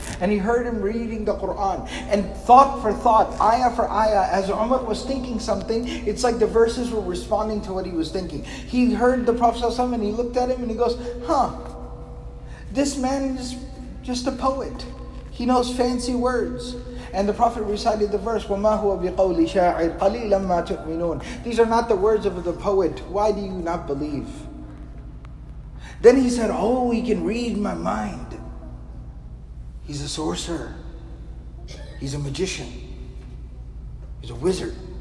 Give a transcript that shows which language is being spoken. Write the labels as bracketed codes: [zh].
[en] And he heard him reading the Quran. And thought for thought, ayah for ayah, as Umar was thinking something, it's like the verses were responding to what he was thinking. He heard the Prophet ﷺ and he looked at him and he goes, huh, this man is just a poet. He knows fancy words. And the Prophet recited the verse, [ar] وَمَا هُوَ بِقَوْلِ شَاعِرٍ قَلِيلًا مَا تُؤْمِنُونَ. [en] These are not the words of the poet. Why do you not believe? Then he said, oh, he can read my mind. He's a sorcerer. He's a magician. He's a wizard.